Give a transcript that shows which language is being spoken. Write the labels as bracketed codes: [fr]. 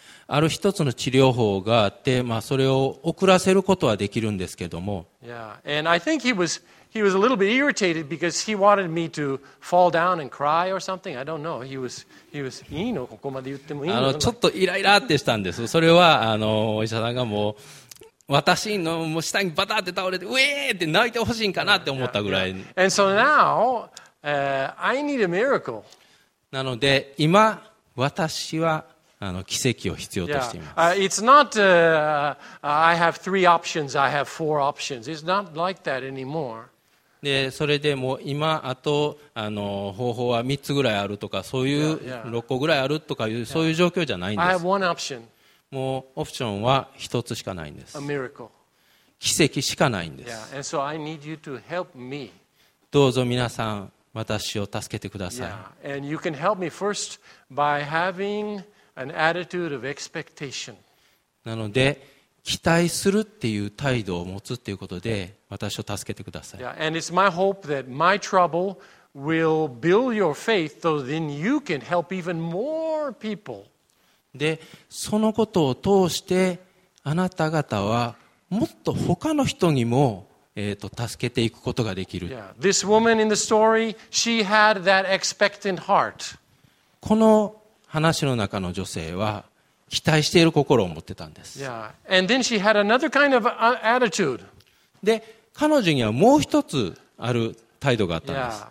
[ja] ある一つの治療法があって、まあ、それを遅らせることはできるんですけども。 [en] Yeah. And I think he was a little bit irritated because he wanted me to fall down and cry or something. I don't know. He was [ja] いいの？ここまで言ってもいいの？ちょっとイライラってしたんです。それはお医者さんがもう私のもう下にバタって倒れてウェーって泣いてほしいんかなって思ったぐらい。 [en] Yeah, yeah, yeah. And so now, I need a miracle. [ja] なので今私は奇跡を必要としています。 [en] It's not I have three options, I have four options. It's not like that anymore. [ja] で、それでも今あと方法は3つぐらいあるとか、そういう6個ぐらいあるとかいう、yeah, yeah. そういう状況じゃないんです。 [en] I have one option. [ja] もうオプションは1つしかないんです。 [en] A miracle. [ja] 奇跡しかないんです。 [en] Yeah. And so I need you to help me. [ja] どうぞ皆さん私を助けてください。 [en] Yeah. And you can help me first by having an attitude of expectation. [ja] なので期待するっていう態度を持つっていうことで私を助けてください。 [en] Yeah. And it's my hope that my trouble will build your faith, so then you can help even more people. [ja] で、そのことを通してあなた方はもっと他の人にも助けていくことができる。 [en] Yeah. This woman in the story, she had that expectant heart. [ja] この話の中の女性は期待している心を持ってたんです。 [en] Yeah. And then she had another kind of attitude. [ja] で、彼女にはもう一つある態度があったんです。